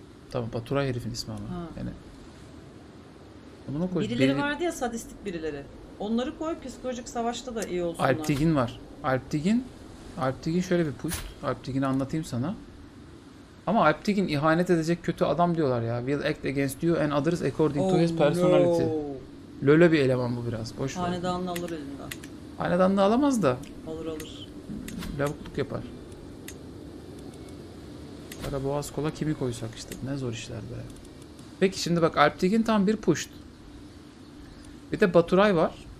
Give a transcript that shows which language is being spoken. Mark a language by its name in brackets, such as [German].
[Turkish] Tamam, Baturay herifin ismi ama. Ha. Yani onu mu koy? Birileri vardı ya, sadistik birileri. Onları koy, psikolojik savaşta da iyi olsunlar. Alptigin var. Alptigin şöyle bir puşt. Alptigin'i anlatayım sana. Ama Alptigin ihanet edecek kötü adam diyorlar ya. [English] We'll act against you and others according to his personality. Oh no. [Turkish] Löle bir eleman bu biraz. Boş ver. Hanedanını alır elinden. Hanedan da alamaz da. Alır. Lavukluk yapar. Karaboğaz Kol'a kimi koysak işte. Ne zor işler be. Peki şimdi bak, Alptigin tam bir puşt. Bir de Baturay var.